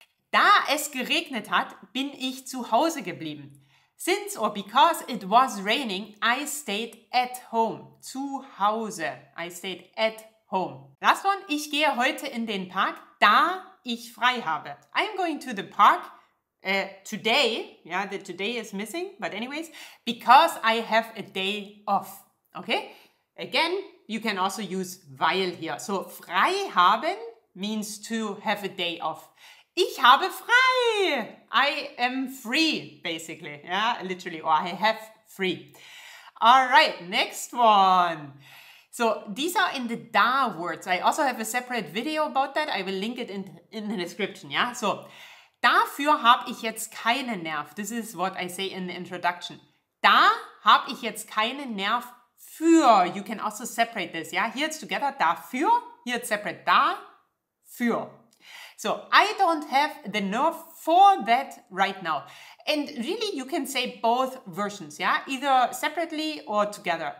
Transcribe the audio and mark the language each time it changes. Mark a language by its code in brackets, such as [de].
[de] Da es geregnet hat, bin ich zu Hause geblieben. [en] Since or because it was raining, I stayed at home. [de] Zu Hause. [en] I stayed at home. Last one. [de] Ich gehe heute in den Park, da ich frei habe. [en] I'm going to the park today. Yeah, the today is missing. But anyways, because I have a day off. Okay? Again, you can also use weil here. So, frei haben means to have a day off. [de] Ich habe frei. [en] I am free, basically. Yeah, literally. Or I have free. All right, next one. So these are in the da words. I also have a separate video about that. I will link it in the description. Yeah, so [de] dafür habe ich jetzt keinen Nerv. [en] This is what I say in the introduction. [de] Da habe ich jetzt keinen Nerv für. [en] You can also separate this. Yeah, here it's together. Dafür. Here it's separate. [de] Dafür. [en] So, I don't have the nerve for that right now. And really, you can say both versions, yeah? Either separately or together.